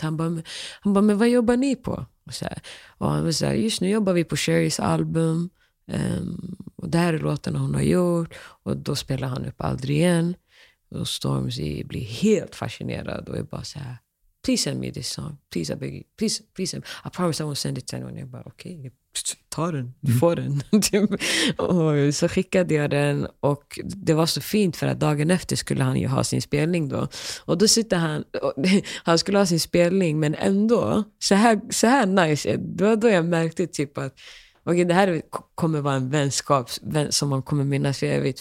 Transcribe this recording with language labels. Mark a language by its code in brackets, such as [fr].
[sv] Han bara, men vad jobbar ni på? Och han var så här, just nu jobbar vi på Sherrys album, och det här är låten hon har gjort, och då spelar han upp Aldrig igen, och Stormzy blir helt fascinerad och är bara så här, [en] please send me this song. Please, I beg you. Please send me. I promise I won't send it to anyone. [sv] Jag bara, okej. Ta den. Du får den. Och så skickade jag den. Och det var så fint, för att dagen efter skulle han ju ha sin spelning då. Och då sitter han. Han skulle ha sin spelning, men ändå. Så här nice. Det var då jag märkte typ att, okej, det här kommer vara en vänskap som man kommer minnas för evigt.